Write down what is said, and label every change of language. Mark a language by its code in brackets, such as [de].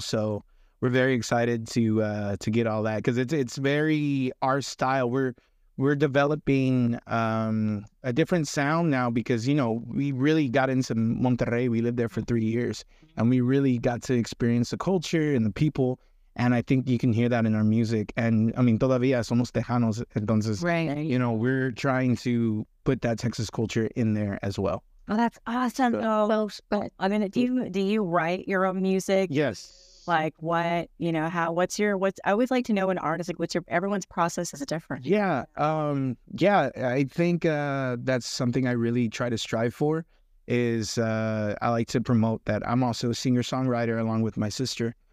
[en] So we're very excited to get all that, because it's very our style. We're developing a different sound now because, you know, we really got into Monterrey. We lived there for 3 years and we really got to experience the culture and the people. And I think you can hear that in our music. And, I mean, [es] todavía somos tejanos, entonces, [en] right. You know, we're trying to put that Texas culture in there as well. Oh, that's awesome. Do you write your own music? Yes. Like, what, you know, how, what's your, what's, I always like to know an artist, like, what's your, everyone's process is different. Yeah. I think that's something I really try to strive for is I like to promote that I'm also a singer-songwriter along with my sister.